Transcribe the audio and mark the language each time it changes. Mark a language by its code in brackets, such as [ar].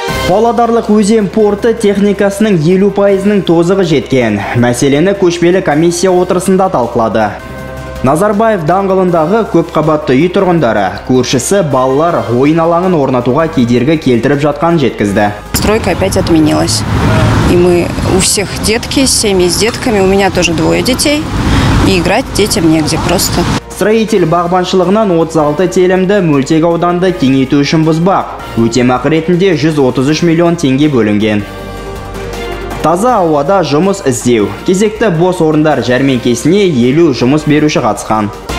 [kk] Павлодарлық өзен порты техникасының 50%-ның тозығы жеткен. Мәселені көшпелі комиссия отырысында талқылады. Назарбаев даңғылындағы көпқабатты үй тұрғындары, көршісі балалар ойын алаңын орнатуға кедергі келтіріп жатқан жеткізді. [ru] Стройка опять отменилась. И мы у всех детки, семьи с детками, у меня тоже двое детей. И играть детям негде просто. [kk] Строитель бағбаншылығынан 36 телімді мөлтек ауданды кеңейту үшін бұзбақ. Өтемақы ретінде 133 миллион тенге бөлінген. Таза ауада жұмыс іздеу. Кезекті бос орындар жәрменкесіне 50 жұмыс беруші қатысқан.